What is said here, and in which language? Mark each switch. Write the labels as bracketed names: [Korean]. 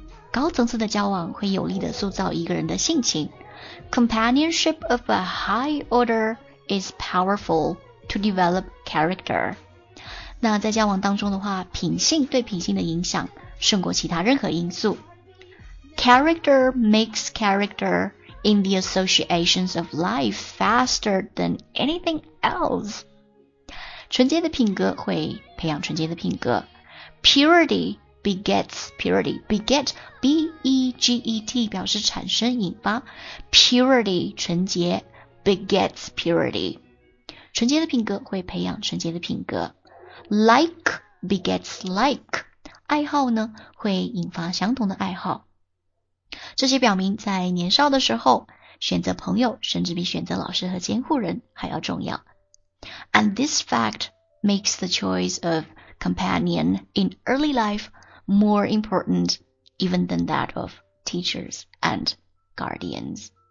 [Chinese] 高层次的交往会有力地塑造一个人的性情， [English] Companionship of a high order is powerful to develop character。 [Chinese] 那在交往当中的话，品性对品性的影响胜过其他任何因素。 [English] Character makes character in the associations of life faster than anything else. [Chinese] 纯洁的品格会培养纯洁的品格。 [English] Purity begets purity. Beget, B-E-G-E-T, [Chinese] 表示产生引发。 [English] Purity, 纯洁 begets purity. [Chinese] 纯洁的品格会培养纯洁的品格。 [English] Like begets like. [Chinese] 爱好呢，会引发相同的爱好。这些表明在年少的时候选择朋友甚至比选择老师和监护人还要重要。 [English] And this fact makes the choice of companion in early life more important even than that of teachers and guardians。